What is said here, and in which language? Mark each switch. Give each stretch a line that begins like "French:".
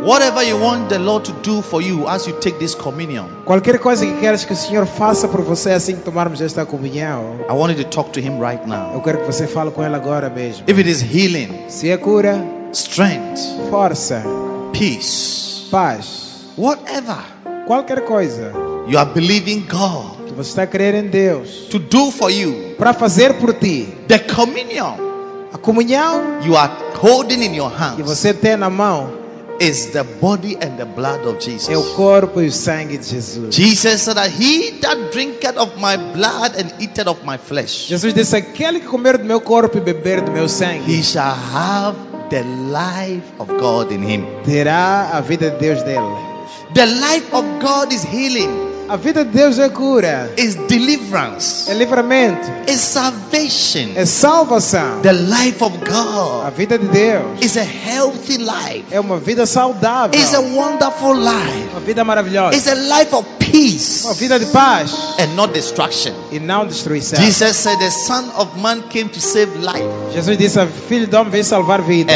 English: Whatever you want the Lord to do for you as you take this communion.
Portuguese: Qualquer coisa que queres que o Senhor faça por você assim que tomarmos esta comunhão.
English: I want you to talk to him right now.
Portuguese: Eu quero que você fale com ele agora mesmo.
English: If it is healing,
Portuguese: se é cura,
English: strength,
Portuguese: força,
English: peace,
Portuguese: paz,
English: whatever,
Portuguese: qualquer coisa,
English: you are believing God,
Portuguese: você está crendo em Deus,
English: to do for you,
Portuguese: para fazer por ti,
English: the communion,
Portuguese: a comunhão,
English: you are holding in your hands,
Portuguese: que você tem na mão,
English: is the body and the blood of Jesus.
Portuguese: É o corpo e o sangue de Jesus.
English: Jesus said that he that drinketh of my blood and eateth of my flesh.
Portuguese: Jesus disse aquele que comer do meu corpo e beber do meu sangue,
English: he shall have the life of God in him.
Portuguese: Terá a vida de Deus dele.
English: The life of God is healing.
Portuguese: A vida de Deus é cura.
English: Is deliverance.
Portuguese: É livramento.
English: Is salvation.
Portuguese: É salvação.
English: The life of God.
Portuguese: A vida de Deus.
English: Is a healthy life.
Portuguese: É uma vida saudável.
English: Is a wonderful life.
Portuguese: Uma vida maravilhosa.
English: Is a life of peace.
Portuguese: Uma vida de paz.
English: And not destruction.
Portuguese: E não destruição.
English: Jesus said the Son of Man came to save life.
Portuguese: Jesus disse o Filho do Homem veio salvar vidas.